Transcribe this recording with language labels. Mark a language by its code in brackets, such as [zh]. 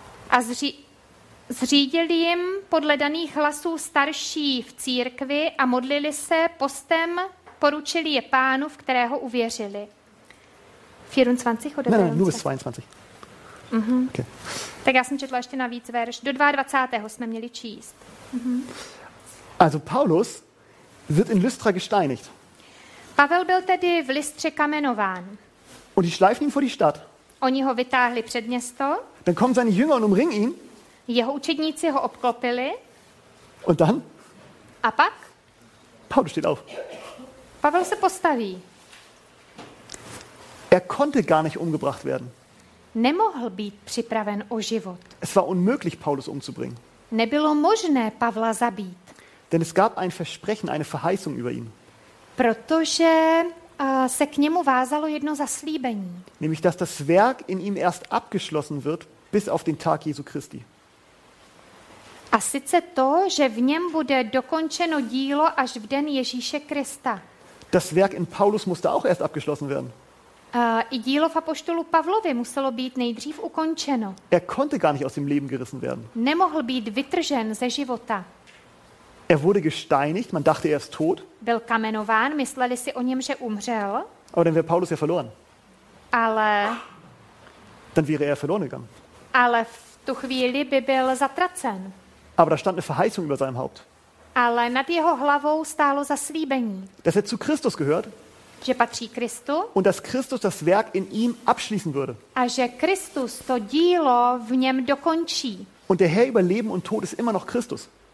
[cs] A zřídil jim podle daných hlasů starší v církvi a modlili se, postem poručili je pánu, v kterého uvěřili. 24. Ne, nůž 22. Mm-hmm. Okay. Tak já jsem četla ještě navíc verš. Do 22. jsme měli číst. [de] Also Paulus wird in Lystra gesteinigt. [cs] Pavel byl tedy v Lystře kamenován. [de] Und die schleifen ihn vor die Stadt. [cs] Oni ho vytáhli před město. [de] Dann kommen seine Jünger und umringen ihn. [cs] Jeho učedníci ho obklopili. [de] Und dann? [cs] A pak? [de] Paulus steht auf. [cs] Pavel se postaví. [de] Er konnte gar nicht umgebracht werden. [cs] Nemohl být připraven o život. [de] Es war unmöglich, Paulus umzubringen. [cs] Nebylo možné Pavla zabít. [de] Denn es gab ein Versprechen, eine Verheißung über ihn. [cs] Protože se k němu vázalo jedno zaslíbení. [de] Nämlich, dass das Werk in ihm erst abgeschlossen wird, bis auf den Tag Jesu Christi. [cs] A sice to, že v něm bude dokončeno dílo až v den Ježíše Krista. [de] Das Werk in Paulus musste auch erst abgeschlossen werden. [cs] I dílo v apoštolu Pavlovi muselo být nejdřív ukončeno. [de] Er konnte gar nicht aus dem Leben gerissen werden. [cs] Nemohl být vytržen ze života. [de] Er wurde gesteinigt, man dachte, er ist tot. [cs] Byl kamenován, mysleli si o něm, že umřel. [de] Aber dann wäre Paulus ja verloren. [cs] Ale... [de] Dann wäre er verloren gegangen. [cs] Ale v tu chvíli by byl zatracen. [de] Aber da stand eine Verheißung über seinem Haupt. [cs] Ale nad jeho hlavou stálo zaslíbení. [de] Dass er zu Christus gehört. [cs] Že patří Kristu. [de] Und dass Christus das Werk in ihm abschließen würde. [cs] A že Kristus to dílo v něm dokončí. [de] Und der Herr über Leben und Tod ist immer noch Christus.